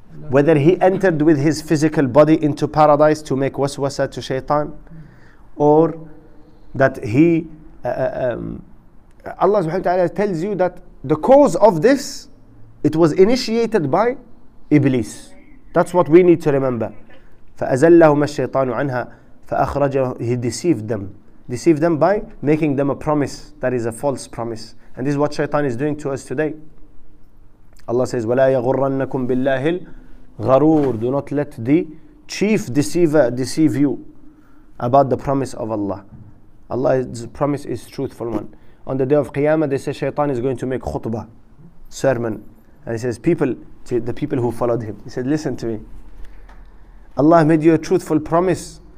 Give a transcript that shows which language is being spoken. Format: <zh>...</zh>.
<en>Whether he entered with his physical body into paradise to make waswasa to Shaitan, or that he, Allah subhanahu wa ta'ala tells you that the cause of this, it was initiated by Iblis. That's what we need to remember.</en> <ar>فَأَزَلَّهُمَ الشَّيْطَانُ عَنْهَا فَأَخْرَجَهُ.</ar> <en>He deceived them by making them a promise that is a false promise. And this is what Shaitan is doing to us today. Allah says,</en> <ar>وَلَا يَغُرَّنَّكُمْ بِاللَّهِ الْغَرُورِ.</ar> <en>Do not let the chief deceiver deceive you about the promise of Allah. Allah's promise is truthful one. On the day of Qiyamah, they say Shaitan is going to make khutbah, sermon. And he says, people, to the people who followed him, he said, listen to me. Allah made you a truthful promise.</en>